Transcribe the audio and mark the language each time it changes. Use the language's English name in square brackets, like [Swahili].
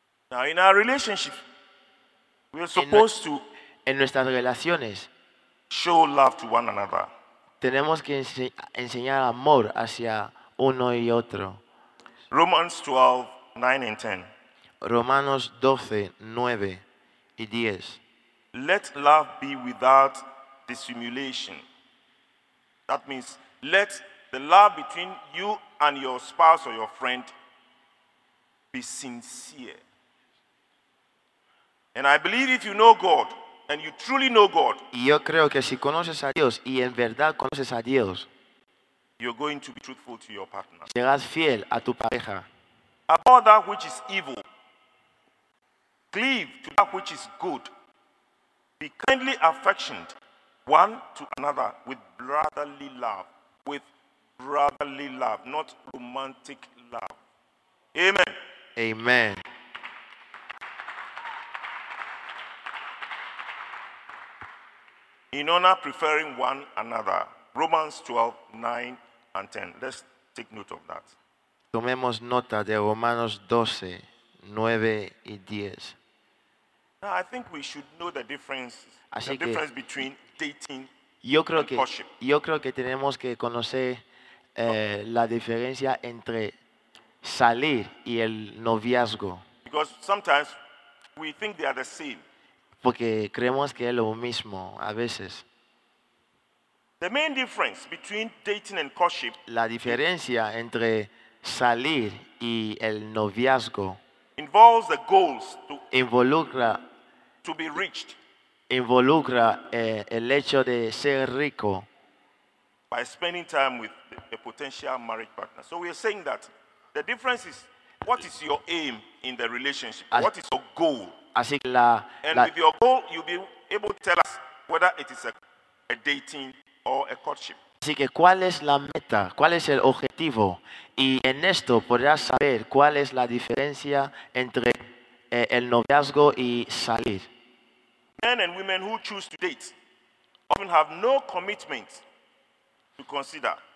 [English] Now in our relationship, we are supposed to [Spanish] en nuestras relaciones [English] show love to one another. [Spanish] Tenemos que enseñar amor hacia uno y otro. [English] Romans 12, 9 and 10. [Spanish] Romanos 12, 9 y 10. [English] Let love be without dissimulation. That means let the love between you and your spouse or your friend be sincere. And I believe if you know God, and you truly know God, [Spanish] y yo creo que si conoces a Dios y en verdad conoces a Dios, [English] you're going to be truthful to your partner. [Spanish] Serás fiel a tu pareja. [English] Abhor that which is evil. Cleave to that which is good. Be kindly affectioned one to another with brotherly love. With brotherly love, not romantic love. Amen. Amen. In honor preferring one another. Romans 12, 9 and 10. Let's take note of that. [Spanish] Tomemos nota de Romanos 12, 9 y 10. [English] Now, I think we should know the difference. [Spanish] Así [English] the [Spanish] que, [English] difference between dating [Spanish] yo creo [English] and [Spanish] que, [English] courtship. [Spanish] Yo creo que tenemos que conocer la diferencia entre salir y el noviazgo. [English] Because sometimes we think they are the same. [Spanish] Porque creemos que es lo mismo a veces. [English] The main difference between dating and courtship. [Spanish] La diferencia entre salir y el noviazgo. [English] Involves the goals to, [Spanish] involucra, [English] to be reached. [Spanish] Involucra el hecho de ser rico. [English] By spending time with a potential marriage partner. So we are saying that the difference is what is your aim in the relationship? As, what is your goal? [Spanish] Así que la, [English] and [Spanish] la, [English] with your goal, you'll be able to tell us whether it is a dating or a courtship. [Spanish] Así que, ¿cuál es la meta? ¿Cuál es el objetivo? Y en esto podrás saber cuál es la diferencia entre el noviazgo y salir. [English] Men and women who choose to date often have no commitment to consider.